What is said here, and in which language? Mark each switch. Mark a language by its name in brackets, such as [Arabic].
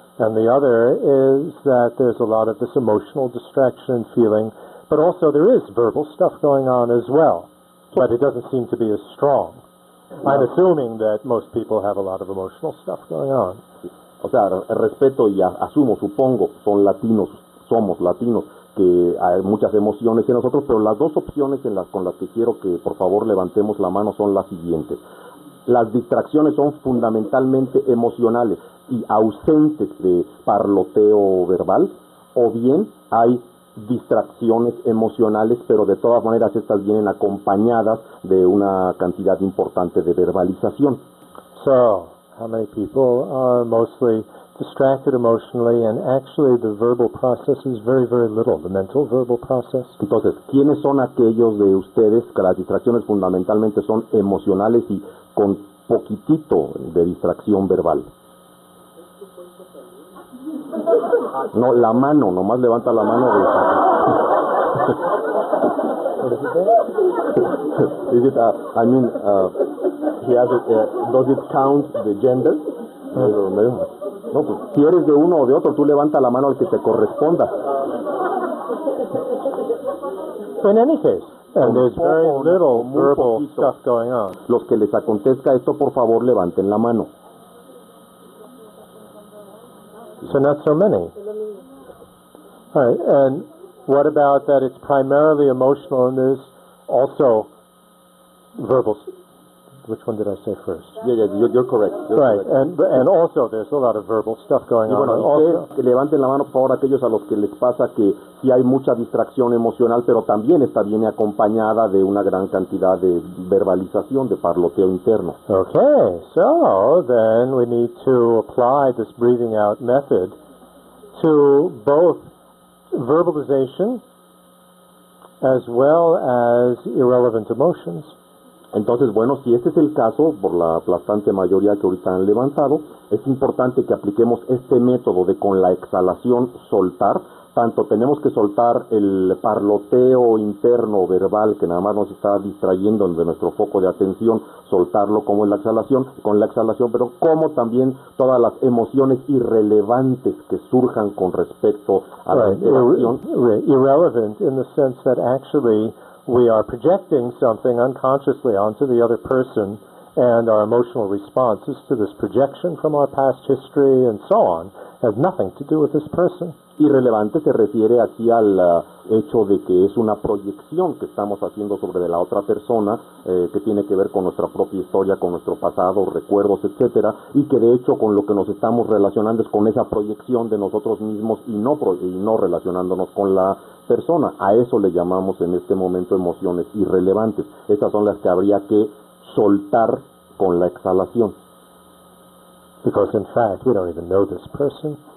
[English] And the other is that there's a lot of this emotional distraction and feeling, but also there is verbal stuff going on as well, but it doesn't seem to be as strong. No. I'm assuming that most people have a lot of emotional stuff going on. [Spanish] O sea, respeto y asumo, supongo, son latinos. Somos latinos, que hay muchas emociones en nosotros, pero las dos opciones con las que quiero que, por favor, levantemos la mano son las siguientes. Las distracciones son fundamentalmente emocionales y ausentes de parloteo verbal, o bien hay distracciones emocionales, pero de todas maneras estas vienen acompañadas de una cantidad importante de verbalización. [English] So, how many people are mostly distracted emotionally, and actually the verbal process is very, very little, the mental verbal process. [Spanish] Entonces, ¿quiénes son aquellos de ustedes que las distracciones fundamentalmente son emocionales y con poquitito de distracción verbal? No, la mano, nomás levanta la mano. De... [English] Is it, does it count the gender? [Spanish] No, pues, si eres de uno o de otro, tú levanta la mano al que te corresponda. [English] In any case, and there's very little verbal stuff going on. [Spanish] Los que les acontezca esto, por favor, levanten la mano. [English] So not so many. All right, and what about that it's primarily emotional and there's also verbal stuff? Which one did I say first? Yeah, you're correct. Right, and also there's a lot of verbal stuff going on. [Spanish] Levanten la mano, por favor, aquellos a los que les pasa que sí hay mucha distracción emocional, pero también esta viene acompañada de una gran cantidad de verbalización, de parloteo interno. [English] Okay, so then we need to apply this breathing out method to both verbalization as well as irrelevant emotions. [Spanish] Entonces, bueno, si este es el caso, por la aplastante mayoría que ahorita han levantado, es importante que apliquemos este método de con la exhalación soltar. Tanto tenemos que soltar el parloteo interno verbal que nada más nos está distrayendo de nuestro foco de atención, soltarlo como en la exhalación, con la exhalación, pero como también todas las emociones irrelevantes que surjan con respecto a la exhalación. [English] Irrelevant in the sense that actually we are projecting something unconsciously onto the other person, and our emotional responses to this projection from our past history and so on has nothing to do with this person. [Spanish] Irrelevante se refiere aquí al hecho de que es una proyección que estamos haciendo sobre de la otra persona, que tiene que ver con nuestra propia historia, con nuestro pasado, recuerdos, etcétera, y que de hecho con lo que nos estamos relacionando es con esa proyección de nosotros mismos y no relacionándonos con la persona. A eso le llamamos en este momento emociones irrelevantes. Estas son las que habría que soltar con la exhalación. [English] Because in fact we don't even know this person.